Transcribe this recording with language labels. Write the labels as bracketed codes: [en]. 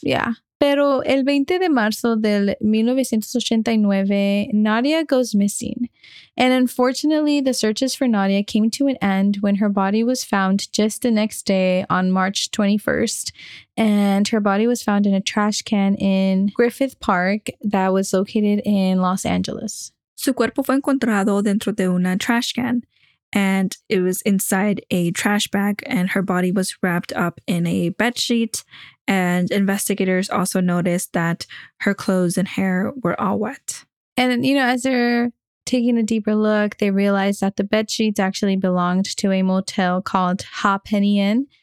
[es] Yeah. Pero el 20 de marzo del 1989, Nadia [en] goes missing. And unfortunately, the searches for Nadia came to an end when her body was found just the next day on March 21st. And her body was found in a trash can in Griffith Park that was located in Los Angeles. [es] Su cuerpo fue encontrado dentro de una trash can. [en] And it was inside a trash bag, and her body was wrapped up in a bed sheet, And investigators also noticed that her clothes and hair were all wet. And, you know, as they're taking a deeper look, they realized that the bed sheets actually belonged to a motel called Ha Penny Inn.